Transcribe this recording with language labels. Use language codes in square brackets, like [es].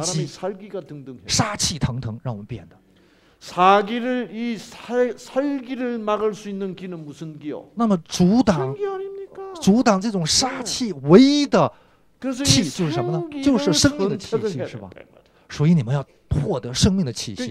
[zh] 为什么会喝酒呢？因为死亡的念头，死绝，在我身体里酿出很多的杀机，杀气腾腾，让我们变的。 [ko] 사기를 이 살기를 막을 수 있는 기는 무슨 기요? [zh] 那么阻挡这种杀气唯一的气就是什么呢？就是生命的气息，是吧？所以你们要获得生命的气息。